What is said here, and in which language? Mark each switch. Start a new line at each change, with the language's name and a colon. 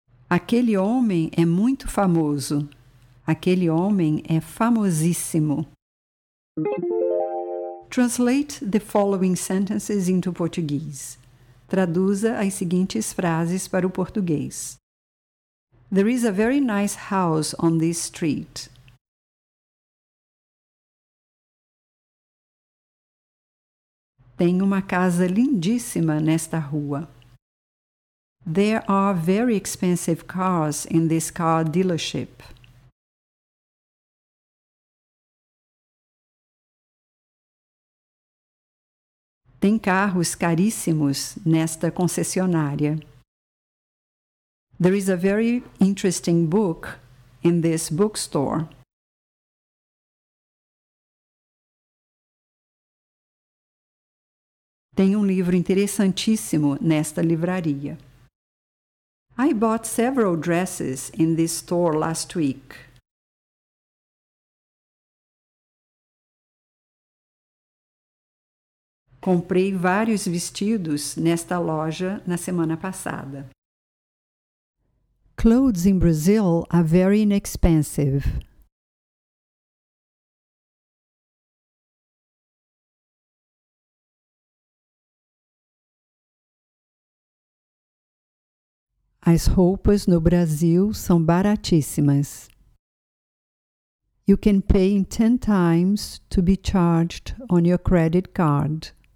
Portuguese: Aquele homem é muito famoso. Aquele homem é famosíssimo.
English: Translate the following sentences into Portuguese.
Portuguese: Traduza as seguintes frases para o português.
English: There is a very nice house on this street.
Portuguese: Tem uma casa lindíssima nesta rua.
English: There are very expensive cars in this car dealership.
Portuguese: Tem carros caríssimos nesta concessionária.
English: There is a very interesting book in this bookstore.
Portuguese: Tem um livro interessantíssimo nesta livraria.
English: I bought several dresses in this store last week.
Portuguese: Comprei vários vestidos nesta loja na semana passada.
English: Clothes in Brazil are very inexpensive.
Portuguese: As roupas no Brasil são baratíssimas.
English: You can pay 10 times to be charged on your credit card.